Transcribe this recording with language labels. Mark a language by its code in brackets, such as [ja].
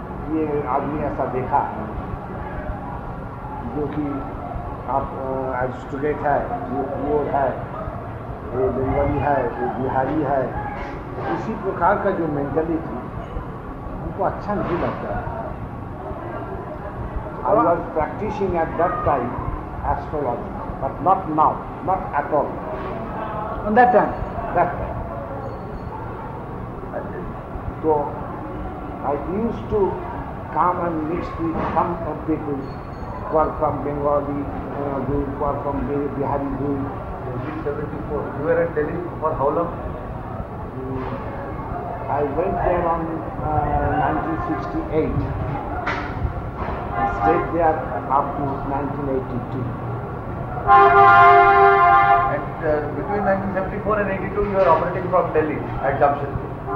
[hi] ইয়ে আদমি এসা দেখা जो कि आप एज स्टूडेंट है, वो कुंवर है, वो बंगाली है, वो बिहारी है, इसी प्रकार का जो मेंटेलिटी उनको अच्छा नहीं लगता है। [en] I was practicing at that time astrology but not now, not at all on that time, that time [hi] तो [en] I use to come and mix with some of people were from Bengali group, were from Bihari group. In 1974, you were in Delhi for how long? I went there on 1968 and stayed there up to 1982. And between 1974 and 82, you were operating from Delhi at Jamshedpur.